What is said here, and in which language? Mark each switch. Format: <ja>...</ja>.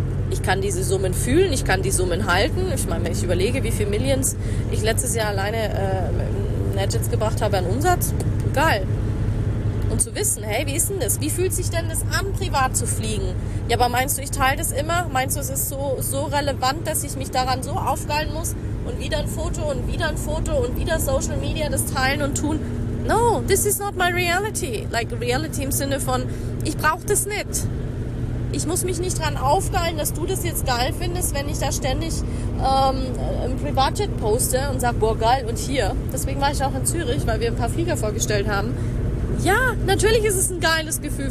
<de>Ich kann diese Summen fühlen, ich kann die Summen halten. Ich meine, wenn ich überlege, wie viele Millions ich letztes Jahr alleine Nadgets gebracht habe an Umsatz, geil. Und zu wissen, hey, wie ist denn das? Wie fühlt sich denn das an, privat zu fliegen? Ja, aber meinst du, ich teile das immer? Meinst du, es ist so relevant, dass ich mich daran so aufgeilen muss und wieder ein Foto und wieder ein Foto und wieder Social Media das teilen und tun?</de> <en>No, this is not my reality. Like reality</en> <de>im Sinne von, ich brauche das nicht. Ich muss mich nicht dran aufgeilen, dass du das jetzt geil findest, wenn ich da ständig ein Privatjet poste und sage, boah, geil, und hier. Deswegen war ich auch in Zürich, weil wir ein paar Flieger vorgestellt haben. Ja, natürlich ist es ein geiles Gefühl.</de>